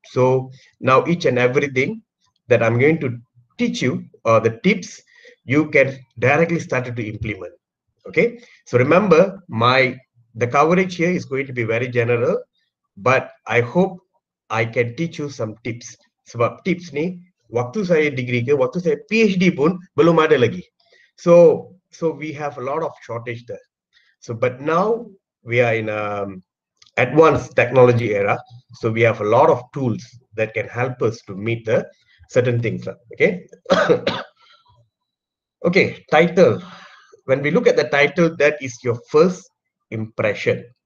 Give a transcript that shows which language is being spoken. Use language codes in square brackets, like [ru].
[en] So now each and everything that I'm going to teach you, the tips, you can directly start to implement. Okay, so remember, the coverage here is going to be very general, but I hope I can teach you some tips. [ms] Sebab tips ni, waktu saya degree ke, waktu saya PhD pun belum ada lagi. [en] So we have a lot of shortage there. So, but now we are in advanced technology era. So we have a lot of tools that can help us to meet the certain things. Okay. Okay, title. When we look at the title, that is your first impression.